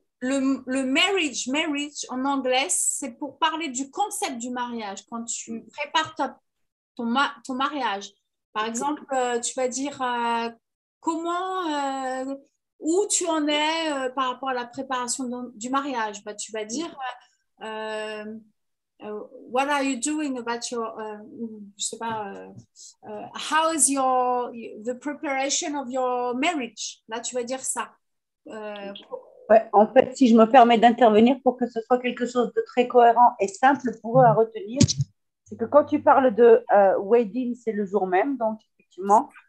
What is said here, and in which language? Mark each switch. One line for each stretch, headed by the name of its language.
French: le marriage, marriage en anglais, c'est pour parler du concept du mariage. Quand tu prépares ton mariage, par exemple, tu vas dire comment, où tu en es par rapport à la préparation du mariage. Bah, tu vas dire
English: what are you doing about your,
French: je sais pas,
English: how is your, the preparation of your marriage.
French: Là, tu vas dire ça. Ouais, en fait, si je me permets d'intervenir pour que ce soit quelque chose de très cohérent et simple pour eux à retenir, c'est que quand tu parles de wedding, c'est le jour même, donc effectivement.